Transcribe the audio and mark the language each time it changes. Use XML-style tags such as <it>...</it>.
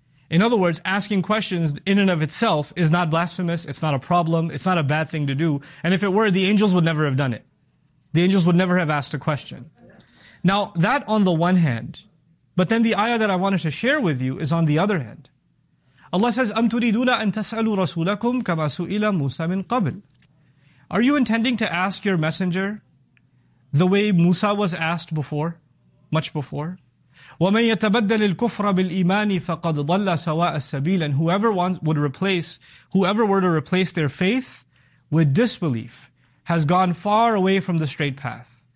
<en>In other words, asking questions in and of itself is not blasphemous, it's not a problem, it's not a bad thing to do. And if it were, the angels would never have done it. The angels would never have asked a question. Now, that on the one hand. But then the ayah that I wanted to share with you is on the other hand. Allah says,</en> <ar>أَمْ تُرِيدُونَ أَن تَسْأَلُوا رَسُولَكُمْ كَمَا سُئِلَ مُوسَى مِنْ قَبْلِ.</ar> <en>Are you intending to ask your messenger the way Musa was asked before, much before?</en> <ar>وَمَنْ يَتَبَدَّلِ الْكُفْرَ بِالْإِيمَانِ فَقَدْ ضَلَّ سَوَاءَ السَّبِيلِ.</ar> <en>And whoever were to replace their faith with disbelief has gone far away from the straight path.</en>